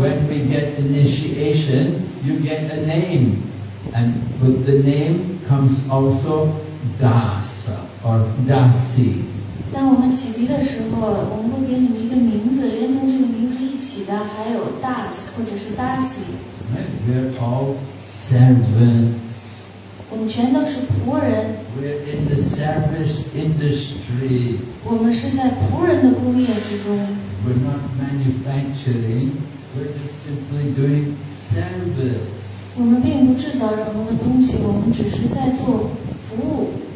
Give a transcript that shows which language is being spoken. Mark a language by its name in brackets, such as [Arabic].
[English] When we get initiation, you get a name, and with the name comes also Das or Dasi. [Chinese] 当我们启迪的时候，我们会给你们一个名字，连同这个名字一起的，还有 Das 或者是 Dasi. [English] Right, we're all servants. [Chinese] 我们全都是仆人。 [English] We're in the service industry. [Chinese] 我们是在仆人的工业之中。 [English] We're not manufacturing, we're just simply doing service. [Chinese] 我们并不制造任何的东西，我们只是在做服务。